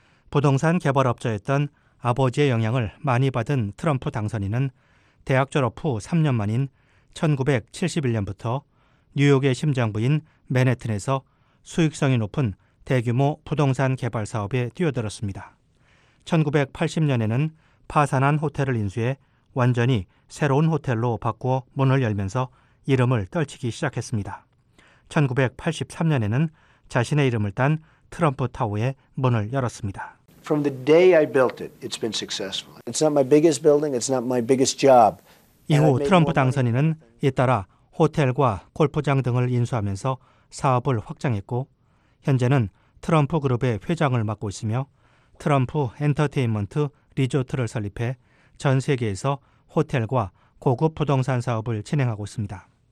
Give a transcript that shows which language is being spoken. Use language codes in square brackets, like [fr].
[ko] 부동산 개발업자였던 아버지의 영향을 많이 받은 트럼프 당선인은 대학 졸업 후 3년 만인 1971년부터 뉴욕의 심장부인 맨해튼에서 수익성이 높은 대규모 부동산 개발 사업에 뛰어들었습니다. 1980년에는 파산한 호텔을 인수해 완전히 새로운 호텔로 바꾸어 문을 열면서 이름을 떨치기 시작했습니다. 1983년에는 자신의 이름을 딴 트럼프 타워에 문을 열었습니다. [en] From the day I built it, it's been successful. It's not my biggest building, it's not my biggest job. [ko] 이후 트럼프 당선인은 잇따라 호텔과 골프장 등을 인수하면서 사업을 확장했고 현재는 트럼프 그룹의 회장을 맡고 있으며 트럼프 엔터테인먼트 리조트를 설립해 전 세계에서 호텔과 고급 부동산 사업을 진행하고 있습니다.